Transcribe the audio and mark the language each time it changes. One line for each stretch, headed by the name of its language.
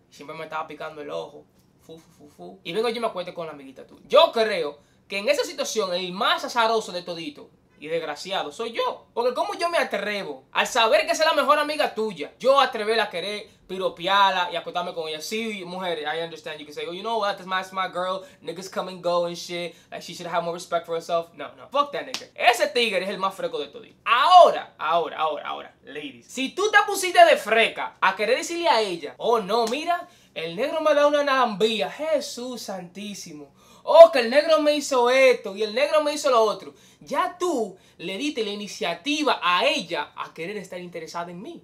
Spanish: Siempre me estaba picando el ojo. Y vengo yo y me acuerdo con la amiguita tú. Yo creo que en esa situación el más azaroso de todito y desgraciado soy yo. Porque como yo me atrevo al saber que es la mejor amiga tuya, yo atreverla a querer piropearla y acostarme con ella. Sí, mujer,
English: I understand you can say, oh, you know what, that's my girl, niggas come and go and shit, like she should have more respect for herself. No, no, fuck that nigga.
Spanish: Ese tigre es el más freco de todito. Ahora, ladies, si tú te pusiste de freca a querer decirle a ella, oh no, mira, el negro me da una nambía, Jesús santísimo. Oh, que el negro me hizo esto y el negro me hizo lo otro. Ya tú le diste la iniciativa a ella a querer estar interesada en mí.